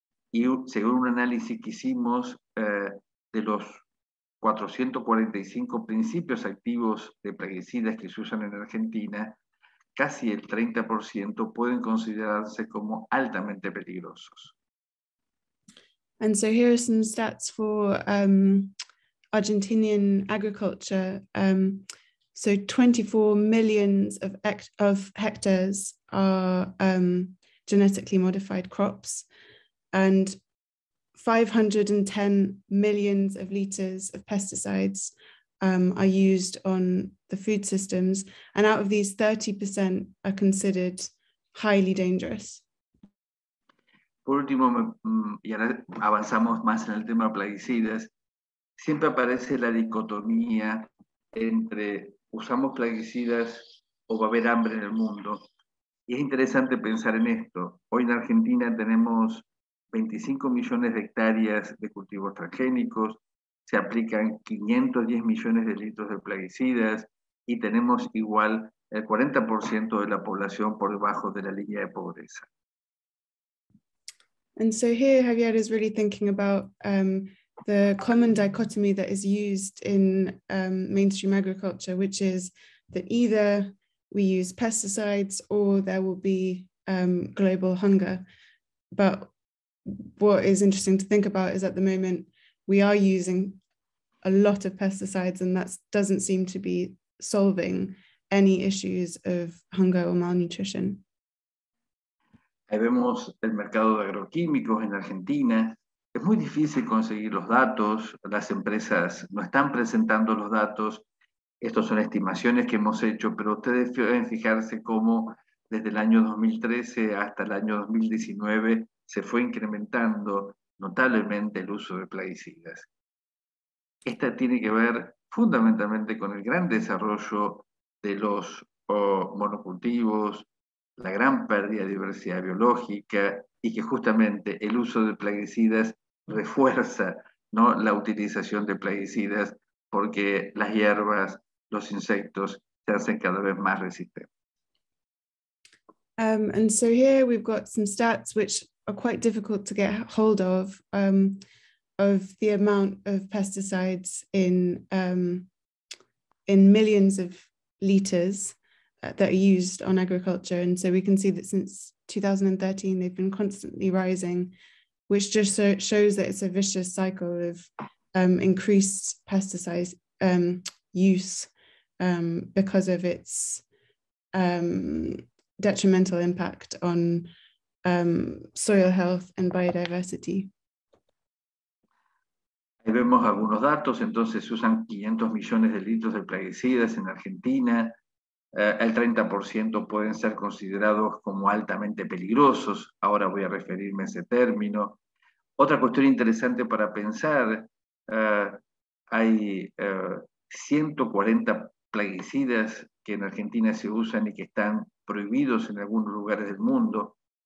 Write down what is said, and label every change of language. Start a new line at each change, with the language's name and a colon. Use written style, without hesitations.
Spanish: y según un análisis que hicimos de los 445 principios activos de plaguicidas que se usan en Argentina, casi el 30% pueden considerarse como altamente peligrosos.
English: And so here are some stats for Argentinian agriculture. So 24 million of hectares are genetically modified crops, and 510 million of liters of pesticides are used on the food systems, and out of these, 30% are considered highly dangerous.
Spanish: Por último, y ahora avanzamos más en el tema plaguicidas, siempre aparece la dicotomía entre usamos plaguicidas o va a haber hambre en el mundo. Y es interesante pensar en esto. Hoy en Argentina tenemos 25 millones de hectáreas de cultivos transgénicos, se aplican 510 millones de litros de plaguicidas y tenemos igual el 40% de la población por debajo de la línea de pobreza.
English: And so here Javier is really thinking about the common dichotomy that is used in mainstream agriculture, which is that either we use pesticides or there will be global hunger. But what is interesting to think about is at the moment we are using a lot of pesticides, and that doesn't seem to be solving any issues of hunger or malnutrition.
Spanish: Ahí vemos el mercado de agroquímicos en Argentina. Es muy difícil conseguir los datos. Las empresas no están presentando los datos. Estas son estimaciones que hemos hecho, pero ustedes pueden fijarse cómo desde el año 2013 hasta el año 2019 se fue incrementando notablemente el uso de plaguicidas. Esta tiene que ver fundamentalmente con el gran desarrollo de los monocultivos, la gran pérdida de diversidad biológica y que justamente el uso de plaguicidas refuerza, ¿no?, la utilización de plaguicidas porque las hierbas, los insectos se hacen cada vez más resistentes.
English: And so here we've got some stats which are quite difficult to get hold of the amount of pesticides in millions of liters that are used on agriculture. And so we can see that since 2013, they've been constantly rising, which just shows that it's a vicious cycle of increased pesticide use because of its detrimental impact on soil health and biodiversity.
Spanish: Ahí vemos algunos datos, entonces se usan 500 millones de litros de plaguicidas en Argentina, el 30% pueden ser considerados como altamente peligrosos, ahora voy a referirme a ese término. Otra cuestión interesante para pensar, hay 140 plaguicidas que en Argentina se usan y que están prohibidos en algunos lugares del mundo.